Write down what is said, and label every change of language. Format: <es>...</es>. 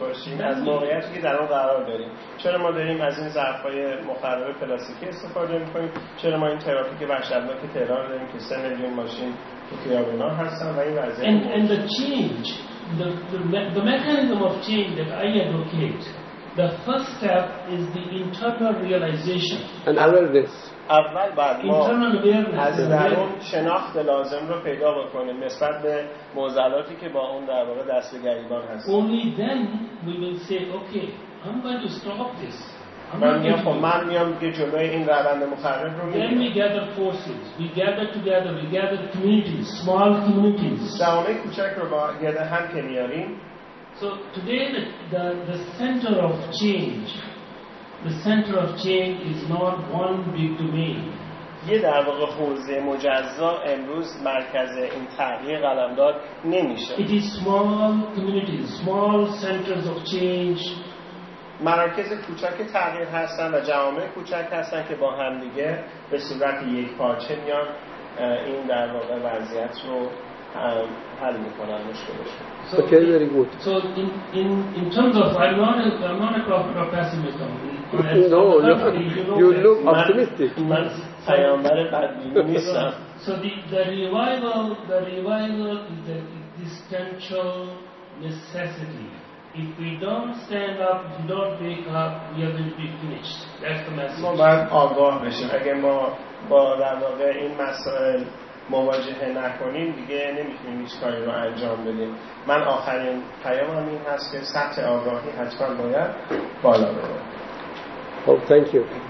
<en>Once we know</en> <fa>چرا ما داریم از این ظرفای مخرب پلاستیکی استفاده می‌کنیم؟ چرا ما این ترافیک وحشتناک تهران داریم که 3 میلیون ماشین تو خیابونا هستن و این وضعیت</fa> <en>And the change, the mechanism of change that I advocate, the first step is the internal realization. And awareness.</en> <fa>اول بعد ما از درون شناخت لازم رو پیدا بکنیم نسبت به معضلاتی که با اون در واقع دست به گریبان هست.</fa> <en>Only then we will say okay, I'm going to stop this.</en> <fa>من میام که جلوی این روند مخرب رو میگیرم.</fa> <en>Then we gather forces. We gather together. We gather communities, small communities.</en> <fa>جامعه کوچک رو با هم که میاریم.</fa> <en>So today the center of change. The center of change is not one big domain.</en> <fa>یه در واقع حوزه مجزا امروز مرکز این تغییر قلمداد نمیشه.</fa> <en>It is small communities, small centers of change.</en> <fa>مراکز کوچک تغییر هستن و جوامع کوچک هستن که با هم دیگه به صورت یک پارچه میان این در واقع وضعیت رو حل میکنن مشکلشون.</fa> <en>Okay, very good. So in terms of I'm not a pessimistom. No, you look optimistic. So the revival is an existential necessity. If we don't stand up, if we don't wake up, we are going to be finished. That's the message.</en> <fa>ما باید آگاه بشیم. اگر ما با در واقع این مسائل مواجهه نکنیم دیگه نمیتونیم هیچ کاری رو انجام بدیم. من آخرین پیامم این هست که سطح آگاهی حتما باید بالا بره.</fa> <en>خب thank you.</en>